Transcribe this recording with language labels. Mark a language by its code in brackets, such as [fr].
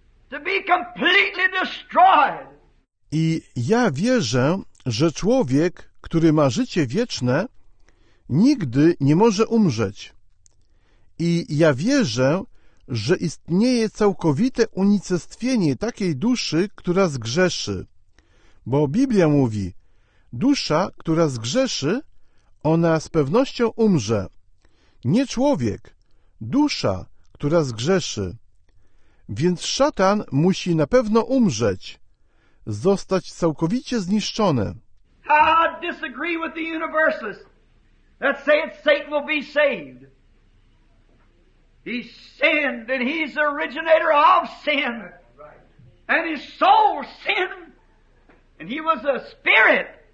[en] To be completely destroyed. [pl] I ja wierzę, że człowiek, który ma życie wieczne, nigdy nie może umrzeć. I ja wierzę, że istnieje całkowite unicestwienie takiej duszy, która zgrzeszy. Bo Biblia mówi, dusza, która zgrzeszy, ona z pewnością umrze. Nie człowiek, dusza, która zgrzeszy. Więc szatan musi na pewno umrzeć, zostać całkowicie zniszczony. [en] I disagree with the universalists that say that Satan will be saved. He sinned and he's the originator of sin. And his soul sinned and he was a spirit.